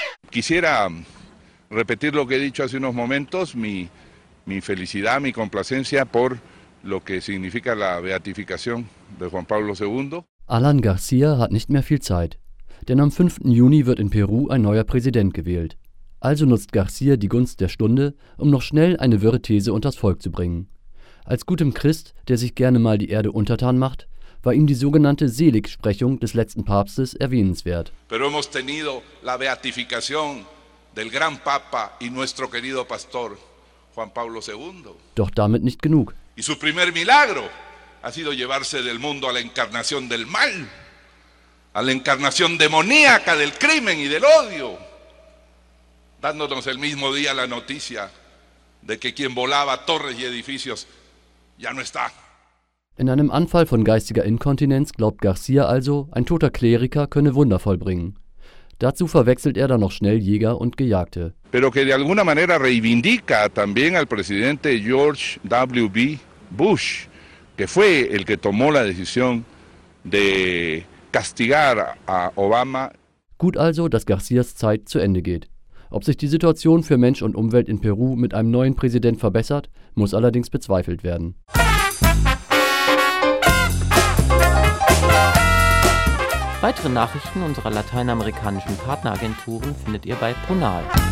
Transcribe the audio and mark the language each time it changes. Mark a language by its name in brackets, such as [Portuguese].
[Spanish] Quisiera repetir lo que he dicho hace unos momentos, mi felicidad, mi complacencia por lo que significa la beatificación de Juan Pablo II. [German] Alan Garcia hat nicht mehr viel Zeit, denn am 5. Juni wird in Peru ein neuer Präsident gewählt. Also nutzt Garcia die Gunst der Stunde, um noch schnell eine wirre These unters Volk zu bringen. Als gutem Christ, der sich gerne mal die Erde untertan macht, war ihm die sogenannte Seligsprechung des letzten Papstes erwähnenswert. [Spanish] Pero hemos tenido la beatificación del gran Papa y nuestro querido Pastor Juan Pablo II. [German] Doch damit nicht genug. [Spanish] Y su primer milagro ha sido llevarse del mundo a la encarnación del mal, a la encarnación demoníaca del crimen y del odio, dándonos el mismo día la noticia de que quien volaba torres y edificios ya no está. [German] In einem Anfall von geistiger Inkontinenz glaubt Garcia also, ein toter Kleriker könne Wunder vollbringen. Dazu verwechselt er dann noch schnell Jäger und Gejagte. [Spanish] Pero que de alguna manera reivindica también al presidente George W. B. Bush, que fue el que tomó la decisión de castigar a Obama. [German] Gut also, dass Garcias Zeit zu Ende geht. Ob sich die Situation für Mensch und Umwelt in Peru mit einem neuen Präsident verbessert, muss allerdings bezweifelt werden. Weitere Nachrichten unserer lateinamerikanischen Partneragenturen findet ihr bei Ponal.